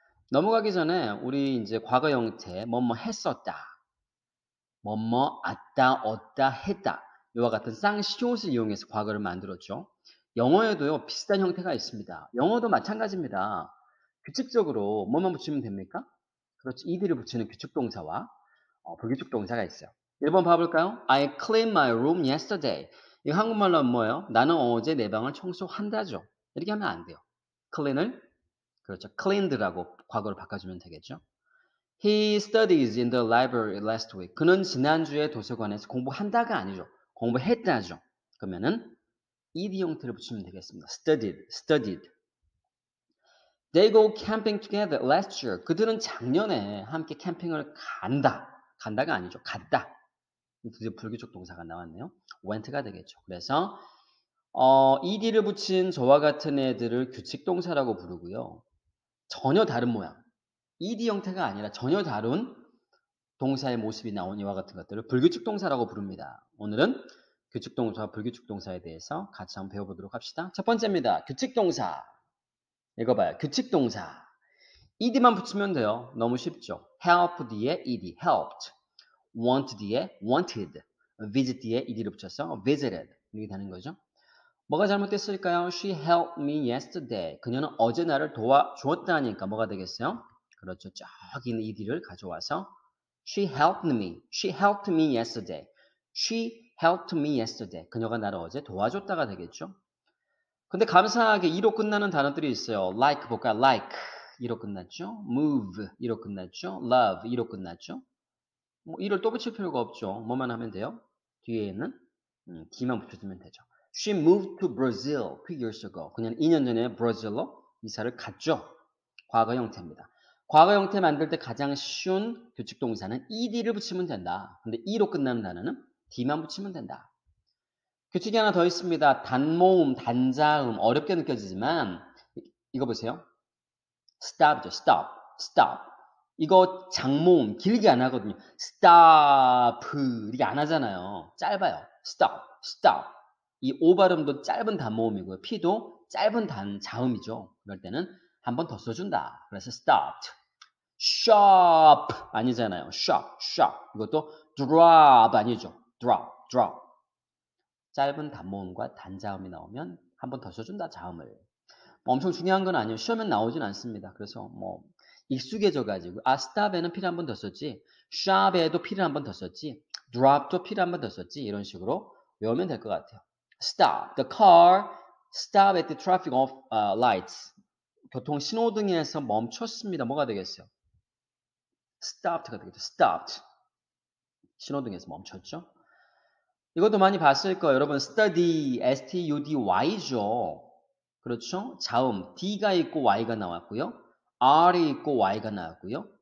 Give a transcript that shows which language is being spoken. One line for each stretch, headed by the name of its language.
Korean: 넘어가기 전에 우리 이제 과거 형태, 뭐뭐 했었다, 뭐뭐 왔다, 왔다, 했다. 이와 같은 쌍시옷을 이용해서 과거를 만들었죠. 영어에도요, 비슷한 형태가 있습니다. 영어도 마찬가지입니다. 규칙적으로 뭐만 붙이면 됩니까? 그렇죠. ed를 붙이는 규칙동사와 불규칙동사가 있어요. 1번 봐볼까요?
English: I cleaned my room yesterday.
Korean: 이거 한국말로 뭐예요? 나는 어제 내 방을 청소한다죠. 이렇게 하면 안 돼요. clean을, 그렇죠, cleaned라고 과거로 바꿔주면 되겠죠.
English: He studies in the library last week.
Korean: 그는 지난주에 도서관에서 공부한다가 아니죠. 공부했다죠. 그러면은 ed 형태를 붙이면 되겠습니다.
English: studied. They go camping together last year.
Korean: 그들은 작년에 함께 캠핑을 간다. 간다가 아니죠. 갔다. 드디어 불규칙 동사가 나왔네요. went가 되겠죠. 그래서 ed를 붙인 저와 같은 애들을 규칙 동사라고 부르고요. 전혀 다른 모양. ed 형태가 아니라 전혀 다른 동사의 모습이 나온 이와 같은 것들을 불규칙 동사라고 부릅니다. 오늘은 규칙 동사와 불규칙 동사에 대해서 같이 한번 배워보도록 합시다. 첫 번째입니다. 규칙 동사. 읽어봐요. 규칙 동사. ed만 붙이면 돼요. 너무 쉽죠.
English: help 뒤에 ed, helped. want 뒤에 wanted.
Korean: visit 뒤에 ed를 붙여서 visited. 이렇게 되는 거죠. 뭐가 잘못됐을까요?
English: She helped me yesterday.
Korean: 그녀는 어제 나를 도와주었다니까 뭐가 되겠어요? 그렇죠. 저기 있는 ed를 가져와서
English: She helped me. She helped me yesterday. She helped me yesterday.
Korean: 그녀가 나를 어제 도와줬다가 되겠죠? 근데 감사하게 이로 끝나는 단어들이 있어요. Like 볼까요? Like 이로 끝났죠? Move 이로 끝났죠? Love 이로 끝났죠? 뭐 이를 또 붙일 필요가 없죠. 뭐만 하면 돼요? 뒤에 있는 D만 붙여주면 되죠.
English: She moved to Brazil 2 years ago.
Korean: 그녀는 2년 전에 브라질로 이사를 갔죠. 과거 형태입니다. 과거 형태 만들 때 가장 쉬운 규칙 동사는 ed를 붙이면 된다. 근데 e로 끝나는 단어는 d만 붙이면 된다. 규칙이 하나 더 있습니다. 단모음, 단자음, 어렵게 느껴지지만 이거 보세요.
English: stop죠. stop, stop.
Korean: 이거 장모음 길게 안 하거든요. stop 이게 안 하잖아요.
English: 짧아요. stop, stop.
Korean: 이 o 발음도 짧은 단모음이고요. p도 짧은 단자음이죠. 그럴 때는 한번더 써준다. 그래서 stopped.
English: shop 아니잖아요. shop, shop.
Korean: 이것도 drop 아니죠.
English: drop, drop.
Korean: 짧은 단모음과 단자음이 나오면 한번더 써준다, 자음을. 뭐 엄청 중요한 건 아니에요. 시험엔 나오진 않습니다. 그래서 뭐 익숙해져가지고 아, stop에는 필 한번 더 썼지. shop에도 필을 한번 더 썼지. drop도 필 한번 더 썼지. 이런 식으로 외우면 될것 같아요.
English: stop, the car stop at the traffic of lights.
Korean: 교통 신호등에서 멈췄습니다. 뭐가 되겠어요? stopped가 되겠죠. stopped. 신호등에서 멈췄죠. 이것도 많이 봤을 거예요. 여러분, study, study죠. 그렇죠? 자음, d가 있고 y가 나왔고요. r이 있고 y가 나왔고요.